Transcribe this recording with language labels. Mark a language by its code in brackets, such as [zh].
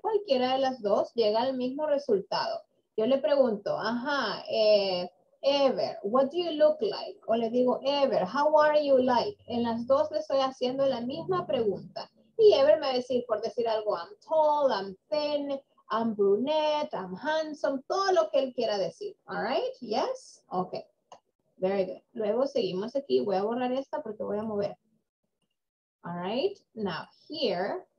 [es] Cualquiera de las dos llega al mismo resultado. Yo le pregunto, ajá, Ever, [en] what do you look like? [es] O le digo, [en] Ever, how are you like? [es] En las dos le estoy haciendo la misma pregunta. Y Ever me va a decir, por decir algo, [en] I'm tall, I'm thin, I'm brunette, I'm handsome, [es] todo lo que él quiera decir. [en] All right, yes, okay, very good. [es] Luego seguimos aquí, voy a borrar esta porque voy a mover. [en] All right, now here.